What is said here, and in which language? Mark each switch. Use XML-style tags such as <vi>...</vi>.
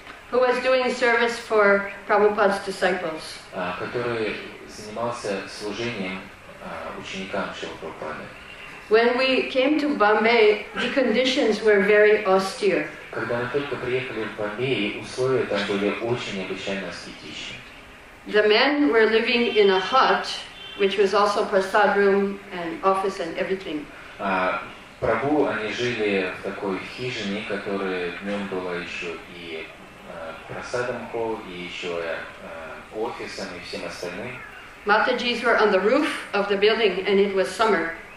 <en>Who was doing service for Prabhupada's disciples?</en> <ru>Который занимался служением ученикам Шрилы Прабхупады.</ru> <en>When we came to Bombay, the conditions were very austere.</en> <ru>Когда мы только приехали в Бомбей, условия там были очень необычайно аскетичны.</ru> <en>The men were living in a hut, which was also prasad room and office and everything.</en> <ru>Прабху, они жили в такой хижине, которая днем была еще и прасадом холл, и еще офисом и всем остальным. Матаджис were on the roof of the building, and it was summer.</ru>